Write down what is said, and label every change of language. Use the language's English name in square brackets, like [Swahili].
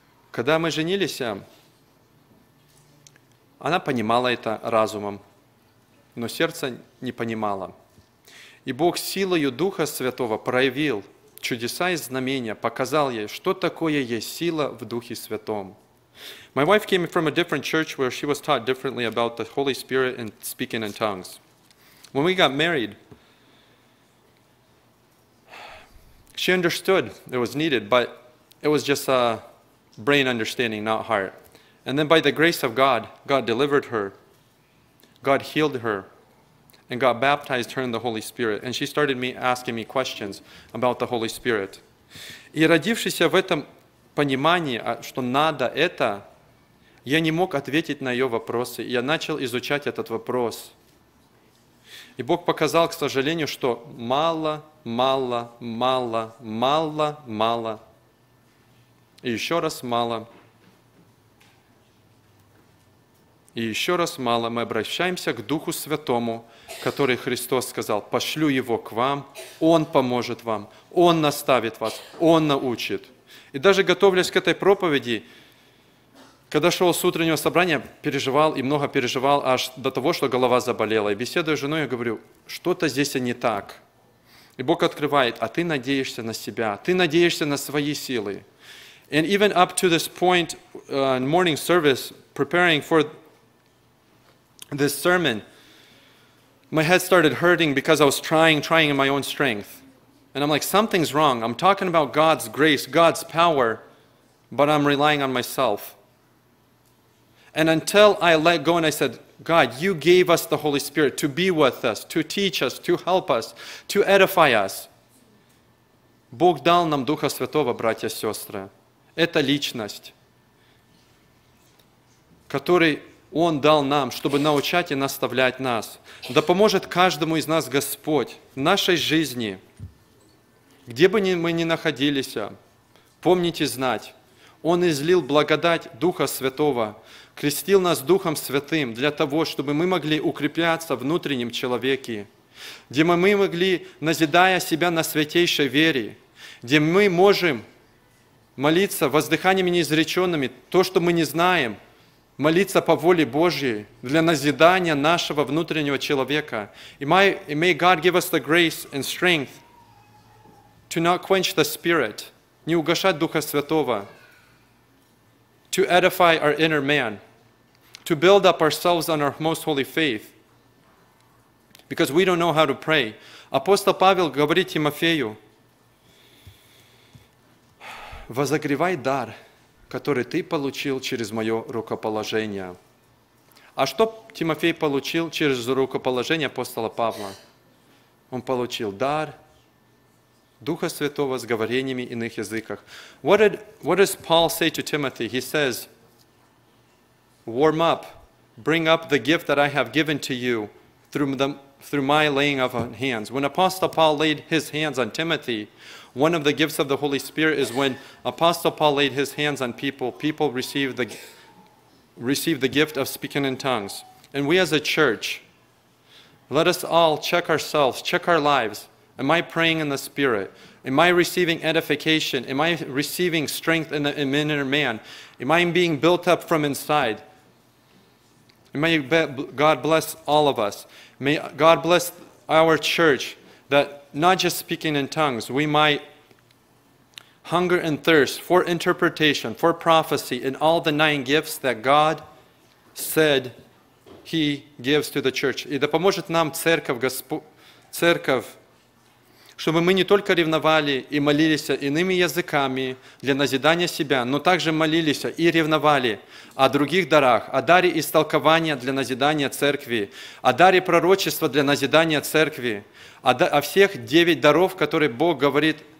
[Russian] Когда мы женились, она понимала это разумом, но сердце не понимало. И Бог силою Духа Святого проявил чудеса и знамения, показал ей, что такое есть сила в Духе Святом. [English] My wife came from a different church where she was taught differently about the Holy Spirit and speaking in tongues. When we got married, she understood it was needed, but it was just a brain understanding, not heart. And then by the grace of God, God delivered her. God healed her. And God baptized her in the Holy Spirit. And she started me asking me questions about the Holy Spirit. [Russian] И родившись в этом понимании, что надо это, я не мог ответить на ее вопросы. Я начал изучать этот вопрос. И Бог показал, к сожалению, что мало, мало, мало, мало, мало. И еще раз мало. И еще раз мало. Мы обращаемся к Духу Святому, который Христос сказал, пошлю Его к вам, Он поможет вам, Он наставит вас, Он научит. И даже готовясь к этой проповеди, когда шел с утреннего собрания, переживал и много переживал, аж до того, что голова заболела. И беседуя с женой, я говорю, что-то здесь не так. И Бог открывает, а ты надеешься на себя, ты надеешься на свои силы. [English] And even up to this point, in morning service, preparing for this sermon, my head started hurting because I was trying in my own strength. And I'm like, something's wrong. I'm talking about God's grace, God's power, but I'm relying on myself. And until I let go and I said, God, you gave us the Holy Spirit to be with us, to teach us, to help us, to edify us. [Russian] Бог дал нам Духа Святого, братья и сестры. Это личность, который Он дал нам, чтобы научать и наставлять нас. Да поможет каждому из нас Господь в нашей жизни, где бы мы ни находились, помните знать, Он излил благодать Духа Святого, крестил нас Духом Святым для того, чтобы мы могли укрепляться в внутреннем человеке, где мы могли, назидая себя на святейшей вере, где мы можем молиться воздыханиями неизреченными, то, что мы не знаем, молиться по воле Божьей для назидания нашего внутреннего человека. И [English] may God give us the grace and strength to not quench the Spirit, [Russian] не угашать Духа Святого, [English] to edify our inner man, to build up ourselves on our most holy faith, because we don't know how to pray. [Russian] Апостол Павел говорит Тимофею, возогревай дар, который ты получил через мое рукоположение. А что Тимофей получил через рукоположение апостола Павла? Он получил дар Духа Святого с говорениями иных языках. [English] What does Paul say to Timothy? He says, warm up, bring up the gift that I have given to you through my laying of hands. When Apostle Paul laid his hands on Timothy, one of the gifts of the Holy Spirit is when Apostle Paul laid his hands on people, people received the gift of speaking in tongues. And we as a church, let us all check ourselves, check our lives. Am I praying in the Spirit? Am I receiving edification? Am I receiving strength in the inner man? Am I being built up from inside? May God bless all of us. May God bless our church that not just speaking in tongues, we might hunger and thirst for interpretation, for prophecy, and all the nine gifts that God said He gives to the church. [Russian] И да поможет нам церковь, Господь, церковь, чтобы мы не только ревновали и молились иными языками для назидания себя, но также молились и ревновали о других дарах, о даре истолкования для назидания церкви, о даре пророчества для назидания церкви, о всех девять даров, которые Бог говорит,